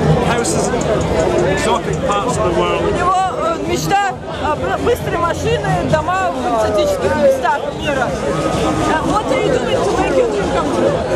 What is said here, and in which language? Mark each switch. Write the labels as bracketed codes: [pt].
[en] Houses, exotic parts of the world. [ru] У него мечта быстрые машины, дома в экзотических местах мира. [en] What are you doing to make your dream come true?